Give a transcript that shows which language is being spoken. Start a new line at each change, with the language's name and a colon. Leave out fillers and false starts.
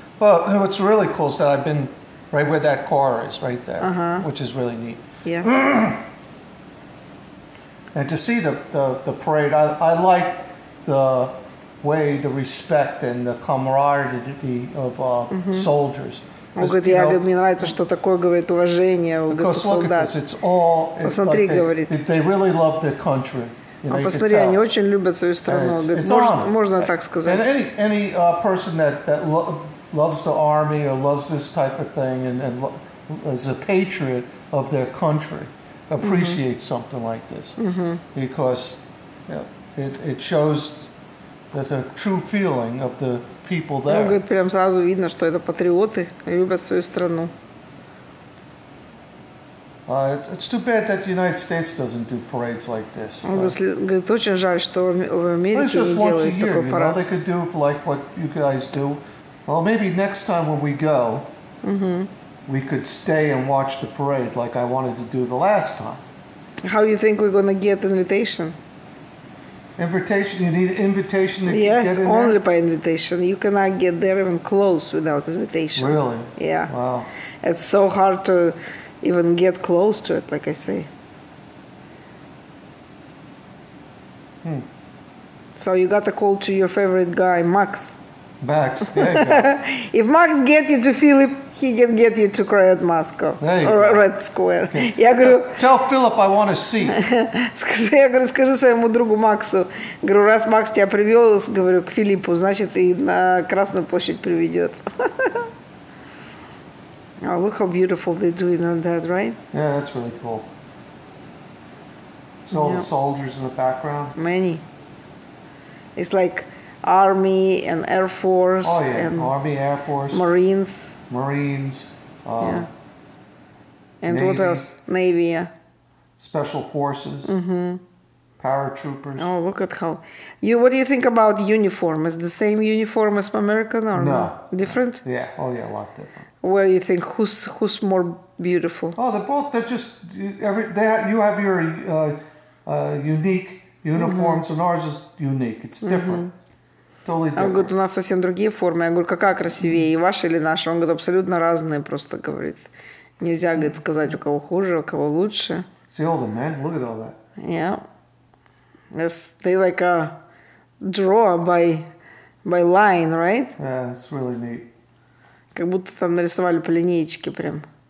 English: Well, what's really cool is that I've been right where that car is, right there, which is really neat. Yeah. And to see the parade, I like the way the respect and the camaraderie of soldiers.
Russian: Он говорит, я говорю, мне нравится, что такое, говорит, уважение, говорит, солдат. Посмотри, говорит.
English: They really love their country.
Russian: А посмотри, они очень любят свою страну. Можно так сказать.
English: And any person that loves the army or loves this type of thing and is a patriot of their country appreciates something like this. Because it shows that the true feeling of the people there.
Russian: Ну, говорит, прям сразу видно, что это патриоты, любят свою страну.
English: It's too bad that the United States doesn't do parades like this.
Russian: Он говорит, очень жаль, что в Америке не делают такой
English: Just once a year, you know, they could do like what you guys do. Well, maybe next time when we go, we could stay and watch the parade like I wanted to do the last time. How you think we're gonna get invitation? Invitation? You need invitation to yes, get in there? Yes, only by invitation. You cannot get there even close without invitation. Really? Yeah. Wow. It's so hard to even get close to it, like I say. So you got a call to your favorite guy, Max. Max, yeah. If Max get you to Philip, he can get you to cry at Moscow. Or go. Red Square. Okay.
Russian: Я говорю,
English: tell Philip I want to see.
Russian: Скажи, я говорю, скажи своему другу Максу. Говорю, раз Макс тебя привел, говорю, к Филиппу, значит, и на Красную площадь приведет.
English: Oh, look how beautiful they're doing on that, right? Yeah, that's really cool. So all the soldiers in the background? Many. It's like Army and Air Force. Oh, yeah. And Army, Air Force. Marines. Marines. And Navy. What else? Navy, yeah. Special Forces. Paratroopers. Oh, look at how... What do you think about uniform? Is the same uniform as American or no? Different? Yeah. Oh, yeah, a lot different. Where do you think? Who's more beautiful? Oh, they're both... They're just... you have your unique uniforms and ours is unique. It's different. Totally different.
Russian: Он говорит, у нас совсем другие формы. Я говорю, какая красивее, и ваша или наша? Он говорит, абсолютно разные, просто говорит. Нельзя, говорит, сказать, у кого хуже, у кого лучше.
English: See all the men? Look at all that. Yeah. It's, they like a draw by line, right? Yeah, it's really neat.
Russian: Как будто там нарисовали по линеечке прям.